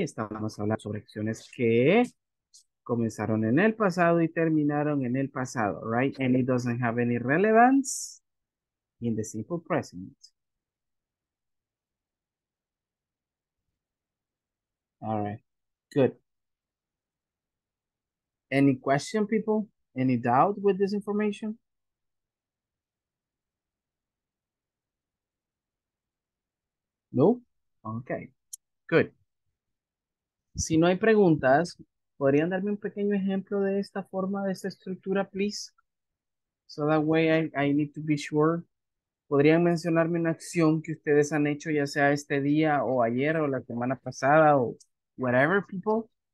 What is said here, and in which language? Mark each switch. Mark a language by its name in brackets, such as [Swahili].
[Spanish] Estamos hablando sobre acciones que comenzaron en el pasado y terminaron en el pasado, [English] right? And it doesn't have any relevance in the simple present. All right, good. Any question, people? Any doubt with this information? No? Okay, good. [Spanish] Si no hay preguntas, ¿podrían darme un pequeño ejemplo de esta forma, de esta estructura, [English] please? So that way I need to be sure. [Spanish] ¿Podrían mencionarme una acción que ustedes han hecho, ya sea este día o ayer o la semana pasada o [English] whatever, people?